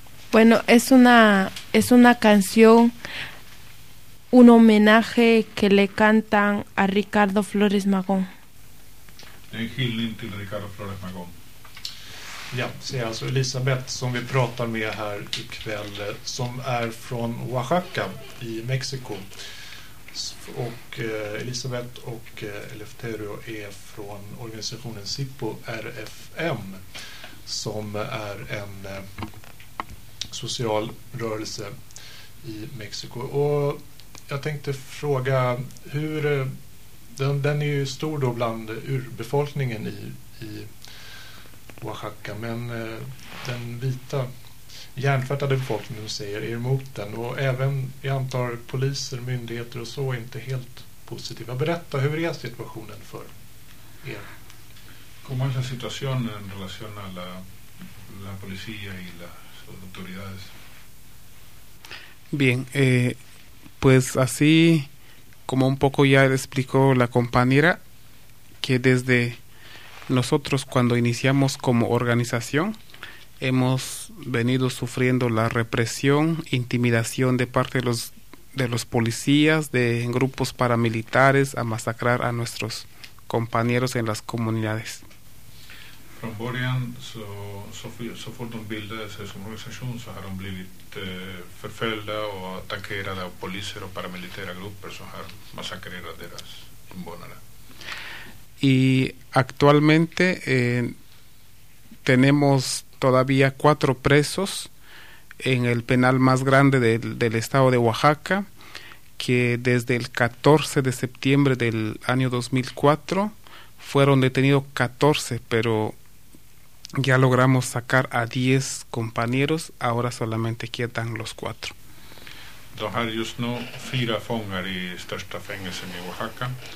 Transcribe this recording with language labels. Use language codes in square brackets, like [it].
[es] Bueno, es una canción, un homenaje que le cantan a Ricardo Flores Magón. [sv] Det är en hyllning till Ricardo Flores Magón. Ja, det är alltså Elisabeth som vi pratar med här ikväll, som är från Oaxaca i Mexiko. Och Elisabeth och Eleftherio är från organisationen SIPO RFM, som är en social rörelse i Mexiko. Och jag tänkte fråga hur den är ju stor då bland urbefolkningen i Oaxaca, men den vita hjärntvättade befolkningen säger er emot den, och även jag antar poliser, myndigheter och så är inte helt positiva. Berätta, hur är situationen för er? [es] Como es la situación en relación a la policía y las autoridades? Bien, pues así como un poco ya explicó la compañera, que desde nosotros cuando iniciamos como organización hemos venido sufriendo la represión, intimidación de parte de los policías, de grupos paramilitares a masacrar a nuestros compañeros en las comunidades. [sv] Från början så fort de bildades som organisation så har de blivit förföljda och attackerade av poliser och paramilitära grupper som har massakrerat deras invånare. [es] Y actualmente tenemos todavía 4 presos en el penal más grande del estado de Oaxaca, que desde el 14 de septiembre del año 2004 fueron detenidos 14, pero ya logramos sacar a 10 compañeros, ahora solamente quedan los 4. [sv] De har just nu 4 fångar i största fängelsen i Oaxaca.